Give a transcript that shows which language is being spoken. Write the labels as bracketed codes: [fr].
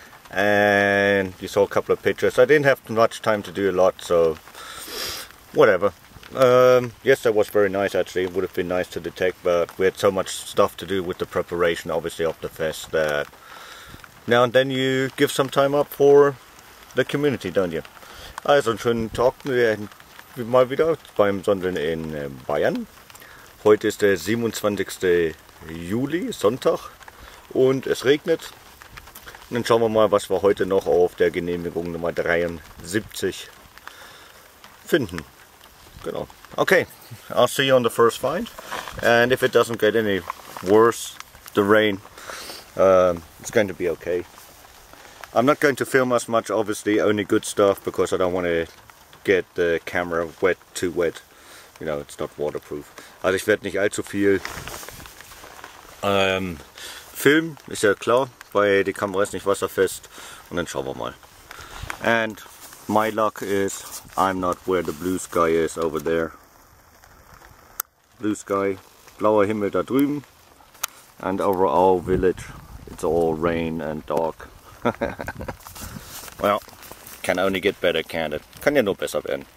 [en] And you saw a couple of pictures. I didn't have much time to do a lot, so whatever. Yesterday was very nice actually. It would have been nice to detect, but we had so much stuff to do with the preparation obviously of the fest that now and then you give some time up for the community, don't you? [de] Also schönen Tag mal wieder beim Sondern in Bayern. Heute ist der 27. Juli, Sonntag, und es regnet. Und dann schauen wir mal, was wir heute noch auf der Genehmigung Nummer 73 finden. Genau. [en] Okay, I'll see you on the first find, and if it doesn't get any worse, the rain, it's going to be okay. I'm not going to film as much, obviously, only good stuff, because I don't want to get the camera wet, too wet. You know, it's not waterproof. [de] Also ich werde nicht allzu viel filmen, ist ja klar, weil die Kamera ist nicht wasserfest, und dann schauen wir mal. [en] And my luck is I'm not where the blue sky is over there. Blue sky, [de] blauer Himmel da drüben, [en] and over our village it's all rain and dark. Well, can only get better, can't it? [de] Kann ja nur besser werden.